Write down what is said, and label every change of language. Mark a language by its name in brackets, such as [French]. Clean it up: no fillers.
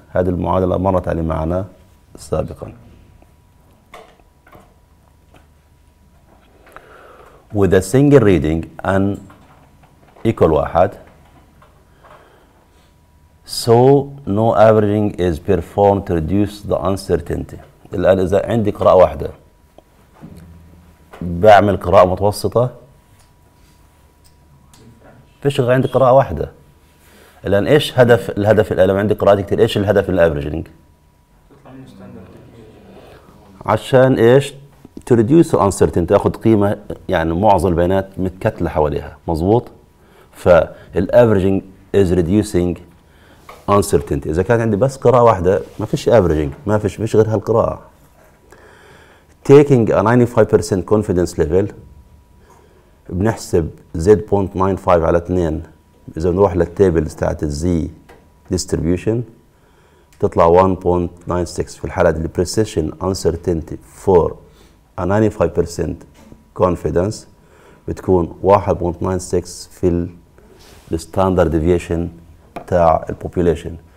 [Arabic] هذه المعادله مرت علي معنا سابقا. [English] With a single reading and equal 1 so no averaging is performed to reduce the uncertainty. [Arabic] الآن إذا عندي قراءة واحدة بعمل قراءة متوسطة، فيش غير عندي قراءة واحدة. الآن إيش هدف الهدف الآن لما عندي قراءات كتير إيش الهدف الأفرجينج؟ عشان إيش [English] to reduce the uncertainty، [Arabic] أخذ قيمة يعني معظم البيانات متكتلة حواليها، مظبوط؟ فالأفرجينج [English] is reducing uncertainty. [Arabic] إذا كان عندي بس قراءة واحدة ما فيش averaging، ما فيش مش غير هالقراءة. [English] Taking a 95% confidence level [Arabic] بنحسب Z.95 على 2. إذا بنروح للتابل تاعت Z distribution تطلع 1.96. في الحالة اللي precision uncertainty for a 95% confidence بتكون 1.96 في الـ standard deviation تاع البوبوليشن.